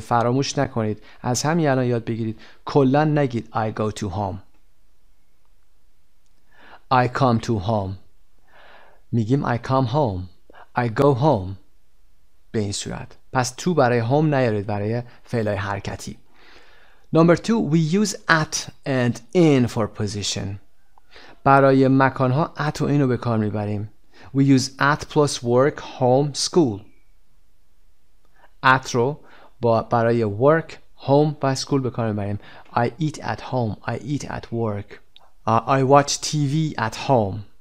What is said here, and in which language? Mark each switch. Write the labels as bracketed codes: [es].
[fa] فراموش نکنید. از همین الان یاد بگیرید. کلن نگید [en] I go to home. I come to home. [fa] میگیم [en] I come home. I go home. [fa] به این صورت. پس تو برای home نیارید برای فعل حرکتی. [en] Number two, we use at and in for position. [fa] برای مکانها at و in رو به کار میبریم. [en] We use at plus work, home, school. [fa] At رو با برای work, home و school به کار میبریم. [en] I eat at home. I eat at work. I watch TV at home.